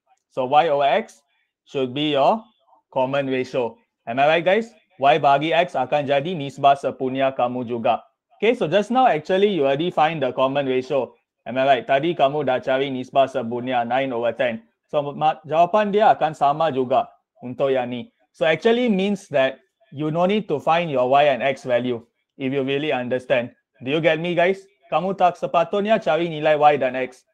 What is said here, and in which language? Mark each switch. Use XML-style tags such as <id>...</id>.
<en>So Y over X should be your common ratio. Am I right, guys?</en> <ms>Y bagi X akan jadi nisbah sepunya kamu juga.</ms> <en>Okay, so just now, actually, you already find the common ratio. Am I right?</en> <ms>Tadi kamu dah cari nisbah sepunya 9 over 10. So jawapan dia akan sama juga untuk yang ni.</ms> <en>So actually means that you no need to find your Y and X value if you really understand. Do you get me, guys?</en> <ms>Kamu tak sepatutnya cari nilai Y dan X.</ms>